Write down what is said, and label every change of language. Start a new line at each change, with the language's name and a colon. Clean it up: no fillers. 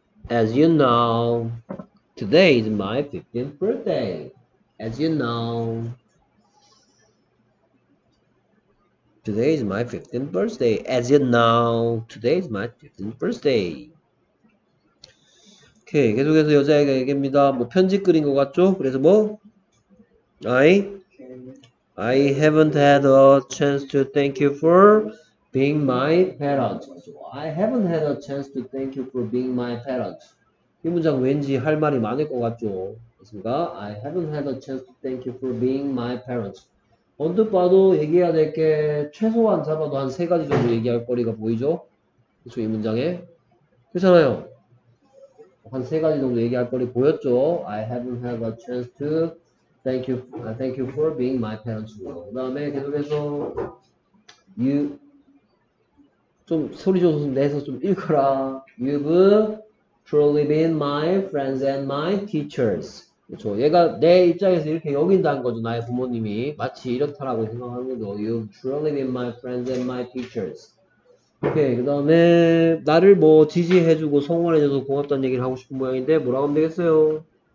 English: As you know, today is my 15th birthday. As you know. Today is my 15th birthday. As you know, today is my 15th birthday.
Korean: 오케이. 계속해서 여자애가 얘기합니다. 뭐, 편지 글인 것 같죠? 그래서 뭐?
English: I haven't had a chance to thank you for being my parents. I haven't had a chance to thank you for being my parents.
Korean: 이 문장 왠지 할 말이 많을 것 같죠? 맞습니까?
English: I haven't had a chance to thank you for being my parents.
Korean: 언뜻 봐도 얘기해야 될게 최소한 잡아도 한세 가지 정도 얘기할 거리가 보이죠? 그쵸, 이 문장에? 그렇잖아요. 한세 가지 정도 얘기할 거리 보였죠?
English: I haven't had a chance to thank you for being my parents.
Korean: 그 다음에 계속해서 you 좀 소리 좀 내서 좀 읽어라.
English: You've truly been my friends and my teachers.
Korean: 그렇죠. 얘가 내 입장에서 이렇게 여긴다는 거죠. 나의 부모님이 마치 이렇다라고 생각하는 거죠.
English: You've truly been my friends and my teachers.
Korean: 오케이. 그 다음에 나를 뭐 지지해주고 성원해줘서 고맙다는 얘기를 하고 싶은 모양인데 뭐라고 하면 되겠어요?